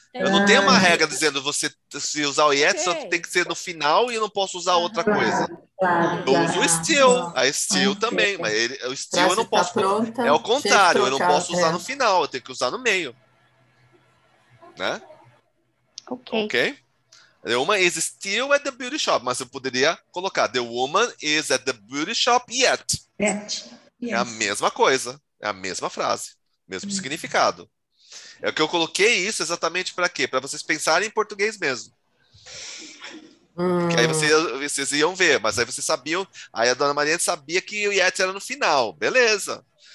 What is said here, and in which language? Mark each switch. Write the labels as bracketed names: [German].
[Portuguese] Eu não tenho uma regra dizendo você se usar o yet, só tem que ser no final e eu não posso usar outra coisa. Eu uso o still. A still também, mas o still eu não posso. Pronta, é o contrário, eu não posso usar no final, eu tenho que usar no meio. Né? Ok. [English] The woman is still at the beauty shop, [Portuguese] mas eu poderia colocar [English] the woman is at the beauty shop yet. Yet. [Portuguese] É a mesma coisa, é a mesma frase, mesmo significado. É que eu coloquei isso exatamente para quê? Para vocês pensarem em português mesmo. Que aí vocês iam ver, mas aí vocês sabiam, aí a dona Maria sabia que o yet era no final, beleza.